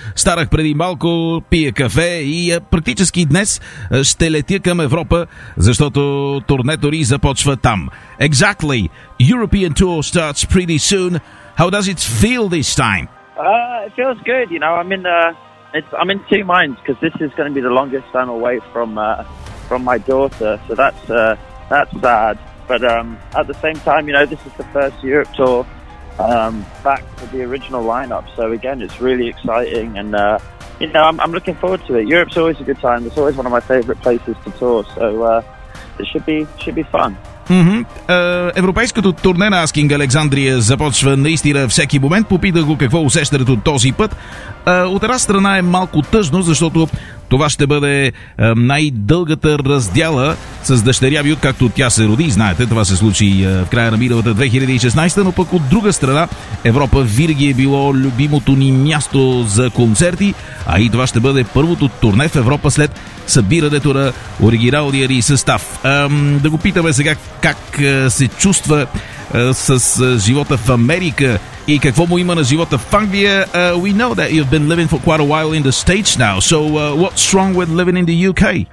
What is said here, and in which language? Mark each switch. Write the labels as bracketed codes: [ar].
[bg] Старах преди малко, пия кафе и практически днес ще летя към Европа, защото турнето ни започва там. [en] Exactly. European tour starts pretty soon. How does it feel this time? It feels good, you know. I'm in two minds because this is going to be the longest time away from my daughter. So that's sad. But at the same time, you know, this is the first Europe tour back to the original lineup. So again, it's really exciting, and you know, I'm looking forward to it. Europe's always a good time. It's always one of my favorite places to tour. So it should be fun. Mm-hmm. [bg] Европейското турне на Asking Alexandria започва наистина всеки момент. Попитах го какво усещате от този път. От една страна е малко тъжно, защото това ще бъде най-дългата раздяла с дъщеря ви, откакто тя се роди. Знаете, това се случи в края на миналата 2016, но пък от друга страна Европа винаги е било любимото ни място за концерти, а и това ще бъде първото турне в Европа след събирането на оригиналния ни състав. Да го питаме сега как се чувства с живота в Америка и какво му има на живота в Англия. [en] We know that you've been living for quite a while in the States now, so what's wrong with living in the UK?